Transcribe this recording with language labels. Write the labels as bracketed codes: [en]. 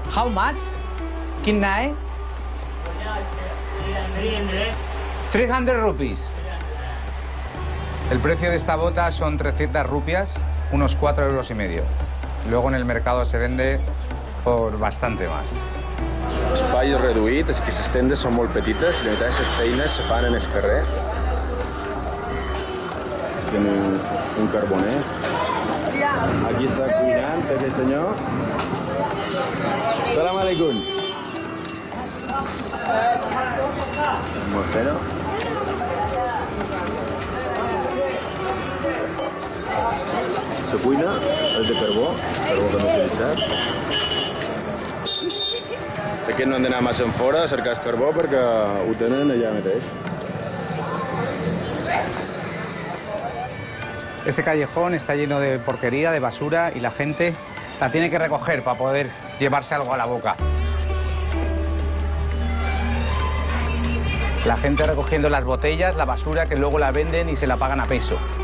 [en] How much? [bn] Kin nae? [en] 300 rupees. [es] El precio de esta bota son 300 rupias, unos 4 euros y medio. Luego en el mercado se vende por bastante más. [ca] Espai reduït, és que les tendes són molt petites, la meitat de les feines se fan en el carrer. Tenim un carboner. Aquí està cuinant aquest senyor. Salam aleikum. Mostero. Se cuina, és de carbó, carbó que no s'ha deixat. Aquest no han d'anar massa enfora a cercar el carbó perquè ho tenen allà mateix. [es] Este callejón está lleno de porquería, de basura, y la gente la tiene que recoger para poder llevarse algo a la boca. La gente recogiendo las botellas, la basura, que luego la venden y se la pagan a peso.